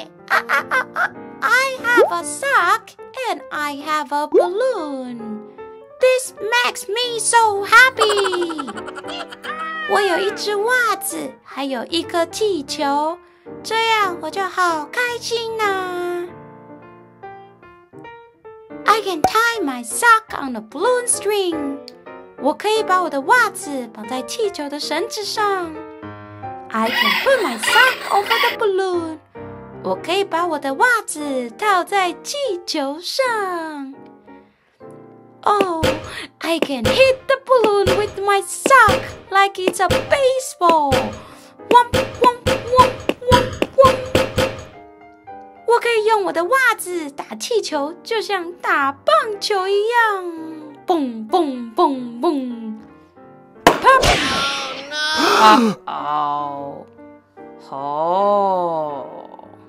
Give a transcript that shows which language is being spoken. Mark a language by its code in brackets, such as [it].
[en] I have a sock and I have a balloon. This makes me so happy. [zh] 我有一只袜子，还有一颗气球，这样我就好开心呢。 [en] I can tie my sock on the balloon string. [zh] 我可以把我的袜子绑在气球的绳子上。 [en] I can put my sock over the balloon. [zh] 我可以把我的袜子套在气球上。 [en] Oh, I can hit the balloon with my sock like it's a baseball. Womp, womp, womp, womp, womp. [zh] 我可以用我的袜子打气球，就像打棒球一样。蹦蹦蹦蹦。 [en] Pop! Oh, no! Oh, oh.